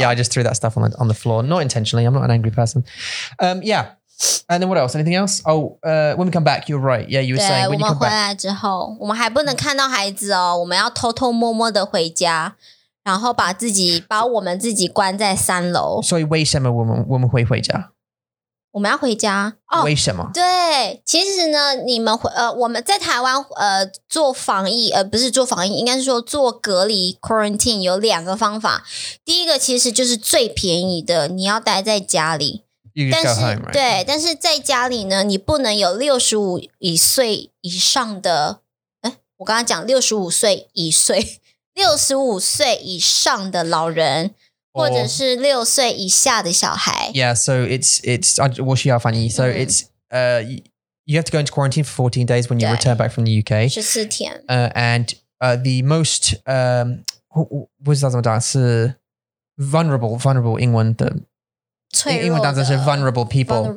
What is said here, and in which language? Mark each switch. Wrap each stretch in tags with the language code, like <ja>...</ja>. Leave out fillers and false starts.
<en>Yeah, I just threw that stuff on the floor. Not intentionally. I'm not an angry person. Yeah. And then what else? Anything else? Oh, when we come back, you're right. Yeah, you were saying when you come back.</en> <zh>我们回来之后，我们还不能看到孩子哦。我们要偷偷摸摸的回家。然后把我们自己关在三楼。所以为什么我们会回家？我们要回家哦？为什么？对，其实呢，你们我们在台湾做防疫不是做防疫，应该是说做隔离 quarantine 有两个方法。第一个其实就是最便宜的，你要待在家里。但是</zh> <en>home,、right?</en> <zh>对，但是在家里呢，你不能有65以岁以上的。我刚刚讲65岁以上的老人</zh> <en>or,</en> <zh>或者是6岁以下的小孩。</zh> <en>Yeah, so it's,</en> <zh>我需要翻译。</zh> <en>So it's, you have to go into quarantine for 14 days when you return back from the UK.</en> <zh>14天。</zh> <en>And the most,</en> <zh>不知道怎么讲是 vulnerable 英文的。脆弱的。英文当中是</zh> <en>vulnerable people</en>